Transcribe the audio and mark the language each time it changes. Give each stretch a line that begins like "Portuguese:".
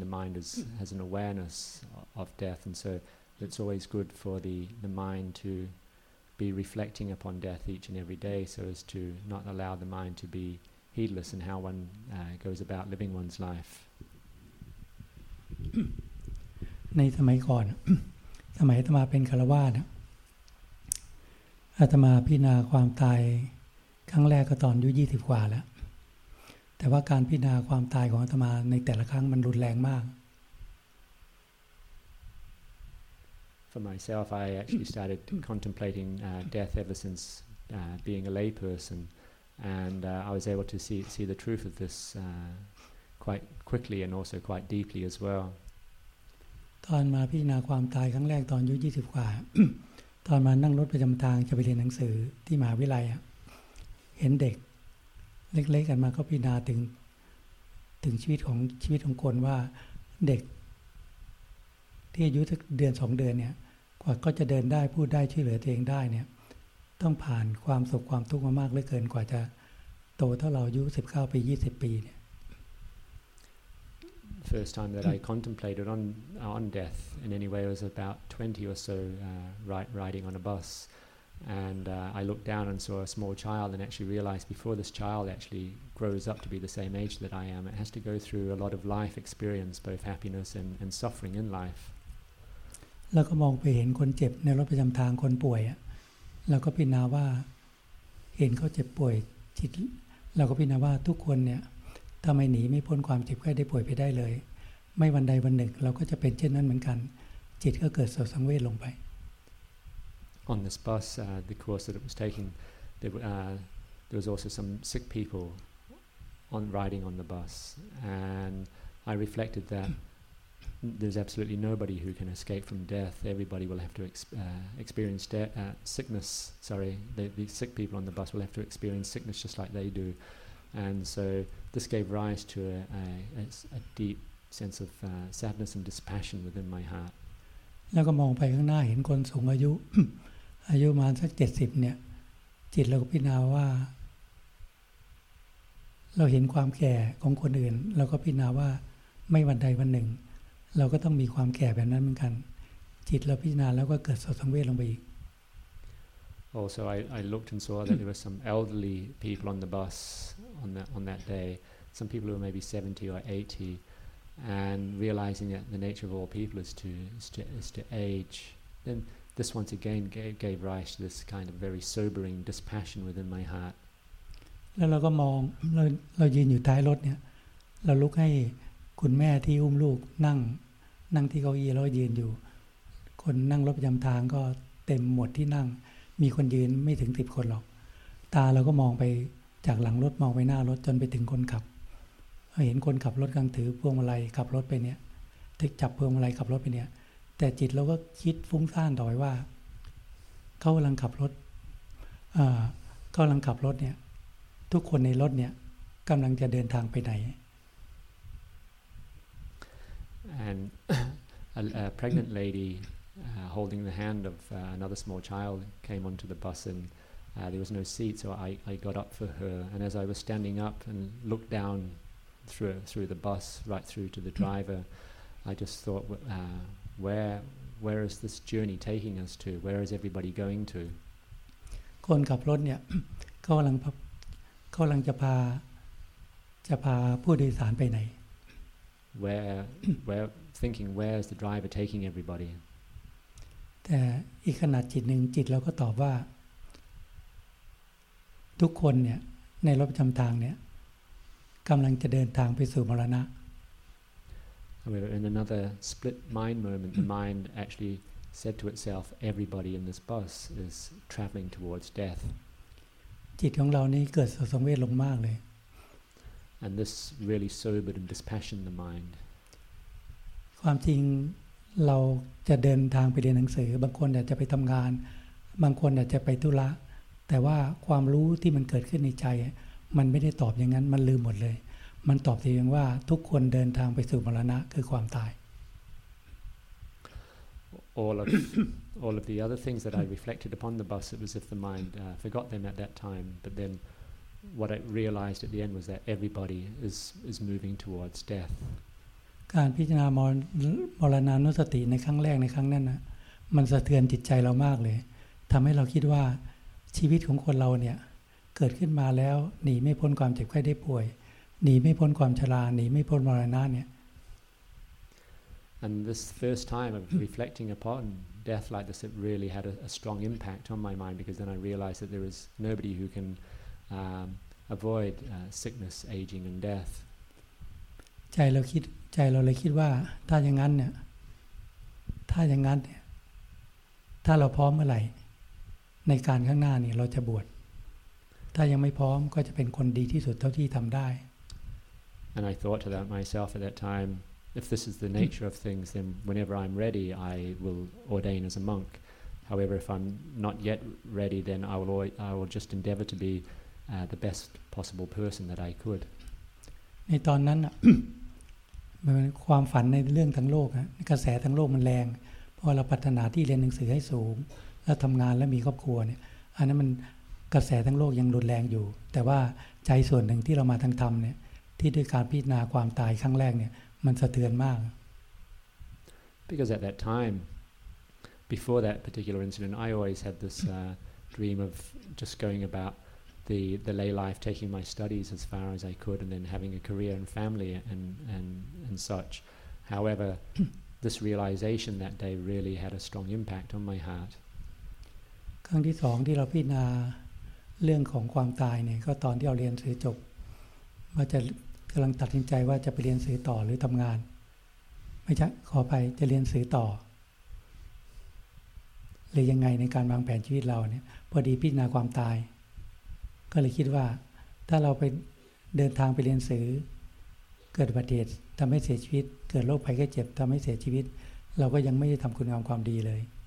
English: The mind has an awareness of death, and so it's always good for the mind to. Be reflecting upon death each and every day, so as to not allow the mind to be heedless in how one goes about living one's life.
Thai: ในสมัยก่อนสมัยอาตมาเป็นคฤหัสถ์อาตมาพิจารณาความตายครั้งแรกก็ตอนอายุ20กว่าแล้วแต่ว่าการพิจารณาความตายของอาตมาในแต่ละครั้งมันรุนแรงมาก
English: For myself, I actually started contemplating death ever since being a layperson, and I was able to see the truth of this quite quickly and also quite deeply as well.
Thai: ตอนมาพิจารณาความตายครั้งแรกตอนอายุ20กว่าตอนมานั่งรถประจำทางจะไปเรียนหนังสือที่มหาวิทยาลัยเห็นเด็กเล็กๆกันมาก็พิจารณาถึงชีวิตของคนว่าเด็กที่อายุสักเดือน2เดือนเนี่ยกว่าก็จะเดินได้พูดได้ช่วยเหลือตัวเองได้เนี่ยต้องผ่านความสุขความทุกข์มามากเหลือเกินกว่าจะโตเท่าเราอายุ19ปี20ปีเนี่ย
English: First time that I contemplated on death in any way was about 20 or so riding on a bus and I looked down and saw a small child and actually realized before this child actually grows up to be the same age that I am it has to go through a lot of life experience both happiness and suffering in life
Thai: แล้วก็มองไปเห็นคนเจ็บในรถประจำทางคนป่วยอ่ะแล้วก็พิจารณาว่าเห็นเขาเจ็บป่วยจิตแล้วก็พิจารณาว่าทุกคนเนี่ยทำไมหนีไม่พ้นความเจ็บไข้ได้ป่วยไปได้เลยไม่วันใดวันหนึ่งเราก็จะเป็นเช่นนั้นเหมือนกันจิตก็เกิดสังเวชลงไป
English: On this bus, the course that it was taking, there was also some sick people riding on the bus, and I reflected that there's absolutely nobody who can escape from death. Everybody will have to experience sickness. Sorry, the sick people on the bus will have to experience sickness just like they do, and so this gave rise to a deep sense of sadness and dispassion within my heart.
Thai: แล้วก็มองไปข้างหน้าเห็นคนสูงอายุอายุมาสัก70เนี่ยจิตเราก็พิจารณาว่าเราเห็นความแก่ของคนอื่นเราก็พิจารณาว่าไม่วันใดวันหนึ่งเราก็ต้องมีความแก่แบบนั้นเหมือนกันจิตเราพิจารณาแล้วก็เกิดสังเวชลงไปอีก
English: Also I looked and saw that there were some elderly people on the bus on that day some people who were maybe 70 or 80 and realizing that the nature of all people is to age then this once again gave rise to this kind of very sobering dispassion within my heart.
Thai: แล้วเราก็มองเรายืนอยู่ท้ายรถเนี่ยเราลุกให้คุณแม่ที่อุ้มลูกนั่งที่เก้าอี้แล้วยืนอยู่คนนั่งรถประจำทางก็เต็มหมดที่นั่งมีคนยืนไม่ถึง10คนหรอกตาเราก็มองไปจากหลังรถมองไปหน้ารถจนไปถึงคนขับ เห็นคนขับรถกำลังถือพวงมาลัยขับรถไปเนี่ยถือจับพวงมาลัยขับรถไปเนี่ยแต่จิตเราก็คิดฟุ้งซ่านต่อไปว่าเขากำลังขับรถเขากำลังขับรถเนี่ยทุกคนในรถเนี่ยกำลังจะเดินทางไปไหน
English: and a pregnant ladyholding the hand of another small child came onto the bus andthere was no seat, so I got up for her. And as I was standing up and looked down through the bus, right through to the driver, I just thought, where is this journey taking us to? Where is everybody going to?
Thai: คนขับรถเนี่ยเขากำลังจะพาผู้โดยสารไปไหน
English: Where thinking, where is the driver taking everybody?
Thai: แต่อีกขนาดจิตนึงจิตเราก็ตอบว่าทุกคนเนี่ยในรถประจำทางเนี่ยกำลังจะเดินทางไปสู่มรณะ
English: However, in another split mind moment, the mind actually said to itself, "Everybody in this bus is traveling towards death."
Thai: จิตของเรานี่เกิดสังเวชลงมากเลย
English: And this really sobered and dispassioned the mind.
Thai: ความจริงเราจะเดินทางไปเรียนหนังสือบางคนอาจจะไปทำงานบางคนอาจจะไปธุระแต่ว่าความรู้ที่มันเกิดขึ้นในใจมันไม่ได้ตอบอย่างนั้นมันลืมหมดเลยมันตอบแต่เพียงว่าทุกคนเดินทางไปสู่มรณะคือความตาย
English: All of the other things that I reflected upon the bus, it was as if the mind forgot them at that time. But then what I realized at the end was that everybody is moving towards death.
Thai: การพิจารณามรณานุสติในครั้งแรกในครั้งนั้นนะมันสะเทือนจิตใจเรามากเลยทำให้เราคิดว่าชีวิตของคนเราเนี่ยเกิดขึ้นมาแล้วหนีไม่พ้นความเจ็บไข้ได้ป่วยหนีไม่พ้นความชราหนีไม่พ้นมรณะเนี่ย
English: And this first time of reflecting upon death like this it really had a strong impact on my mind because then I realized that there is nobody who can avoid sickness aging and death
Thai: ใจเราเลยคิดว่าถ้าอย่างนั้นเนี่ยถ้าอย่างนั้นเนี่ยถ้าเราพร้อมเมื่อไหร่ในการข้างหน้านี่เราจะบวชถ้ายังไม่พร้อมก็จะเป็นคนดีที่สุดเท่าที่ทำได้
English: And I thought to that myself at that time if this is the nature of things then whenever I'm ready I will ordain as a monk however if I'm not yet ready then I will just endeavor to be the best possible person that I could
Thai: ในตอนนั้นความฝันในเรื่องทั้งโลกนะกระแสทั้งโลกมันแรงเพราะเราปรารถนาที่เรียนหนังสือให้สูงแล้วทำงานแล้วมีครอบครัวเนี่ยอันนั้นมันกระแสทั้งโลกยังรุนแรงอยู่แต่ว่าใจส่วนหนึ่งที่เรามาทางธรรมเนี่ยที่ด้วยการพิจารณาความตายครั้งแรกเนี่ยมันสะเทือนมาก
English: Because at that time before that particular incident I always had this dream of just going about the lay life taking my studies as far as I could and then having a career and family and such however this realization that day really had a strong impact on my heart
Thai: ครั้งที่สองที่เราพิจารณาเรื่องของความตายเนี่ยก็ตอนที่เราเรียนเสือจบว่าจะกำลังตัดสินใจว่าจะไปเรียนเสือต่อหรือทำงานไม่ใช่ขอไปจะเรียนเสือต่อหรือยังไงในการวางแผนชีวิตเราเนี่ยพอดีพิจารณาความตายก็เลยคิดว่าถ้าเราไปเดินทางไปเรียนเสือเกิดอุบัติเหตุทำให้เสียชีวิตเกิดโรคภัยไข้เจ็บทำให้เสียชีวิตเราก็ยังไม่ได้ทำคุณงามความดีเลย